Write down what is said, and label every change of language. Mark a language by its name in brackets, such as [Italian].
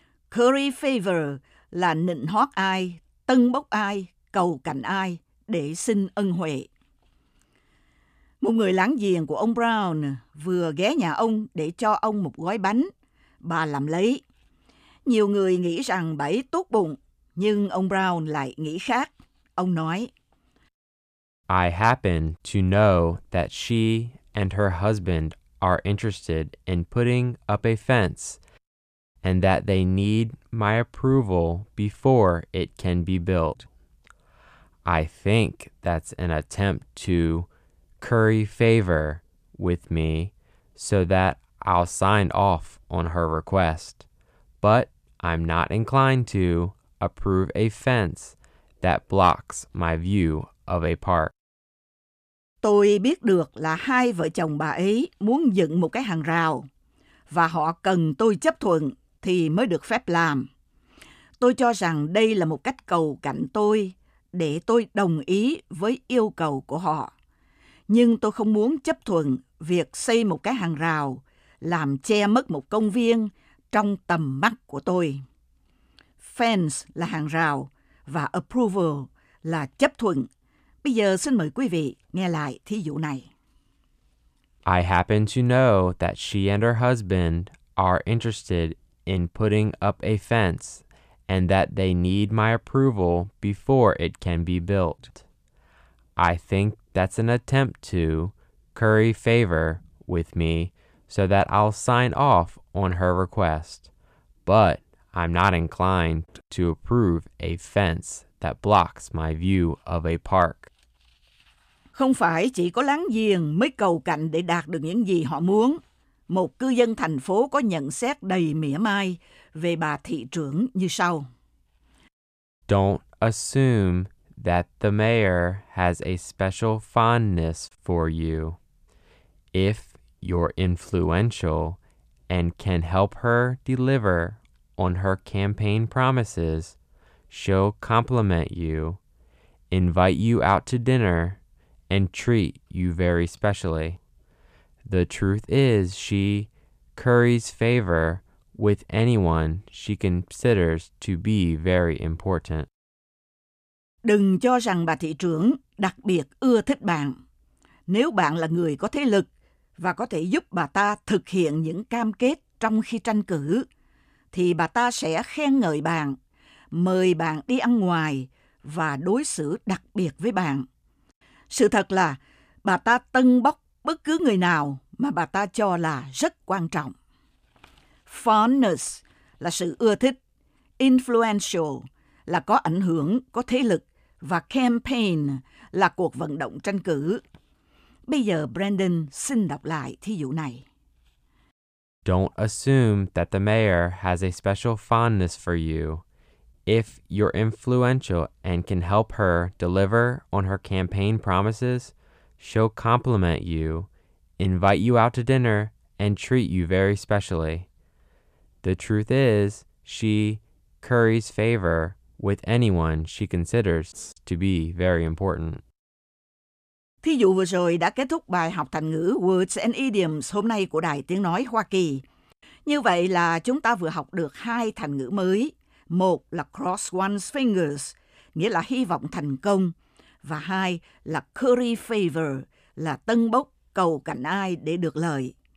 [Vietnamese] Curry favor là nịnh hót ai, tâng bốc ai, cầu cạnh ai để xin ân huệ. Một người láng giềng của ông Brown vừa ghé nhà ông để cho ông một gói bánh. Bà làm lấy. Nhiều người nghĩ rằng bà ấy tốt bụng, nhưng ông Brown lại nghĩ khác. Ông nói, [English] I happen to know that she and her husband are interested in putting up a fence and that they need my approval before it can be built. I think that's an attempt to curry favor with me so that I'll sign off on her request, but I'm not inclined to approve a fence that blocks my view of a park. [Vietnamese] Tôi biết được là hai vợ chồng bà ấy muốn dựng một cái hàng rào và họ cần tôi chấp thuận thì mới được phép làm. Tôi cho rằng đây là một cách cầu cạnh tôi để tôi đồng ý với yêu cầu của họ. Nhưng tôi không muốn chấp thuận việc xây một cái hàng rào làm che mất một công viên trong tầm mắt của tôi. Fence là hàng rào và approval là chấp thuận. Bây giờ xin mời quý vị nghe lại thí dụ này. [English] I happen to know that she and her husband are interested in putting up a fence and that they need my approval before it can be built. I think that's an attempt to curry favor with me so that I'll sign off on her request. But I'm not inclined to approve a fence that blocks my view of a park. [Vietnamese] Không phải chỉ có láng giềng mới cầu cạnh để đạt được những gì họ muốn. Một cư dân thành phố có nhận xét đầy mỉa mai về bà thị trưởng như sau. [English] Don't assume that the mayor has a special fondness for you. If you're influential and can help her deliver on her campaign promises, she'll compliment you, invite you out to dinner, and treat you very specially. The truth is she curries favor with anyone she considers to be very important. [Vietnamese] Đừng cho rằng bà thị trưởng đặc biệt ưa thích bạn. Nếu bạn là người có thế lực và có thể giúp bà ta thực hiện những cam kết trong khi tranh cử, thì bà ta sẽ khen ngợi bạn, mời bạn đi ăn ngoài và đối xử đặc biệt với bạn. Sự thật là bà ta tâng bốc bất cứ người nào mà bà ta cho là rất quan trọng. Fondness là sự ưa thích, influential là có ảnh hưởng, có thế lực, và campaign là cuộc vận động tranh cử. Bây giờ Brandon xin đọc lại thí dụ này. [English] Don't assume that the mayor has a special fondness for you. If you're influential and can help her deliver on her campaign promises, she'll compliment you, invite you out to dinner, and treat you very specially. The truth is, she curries favor with anyone she considers to be very important. [Vietnamese] Thí dụ vừa rồi đã kết thúc bài học thành ngữ Words and Idioms hôm nay của Đài Tiếng Nói Hoa Kỳ. Như vậy là chúng ta vừa học được hai thành ngữ mới. Một là cross one's fingers, nghĩa là hy vọng thành công. Và hai là curry favor, là tâng bốc cầu cạnh ai để được lợi.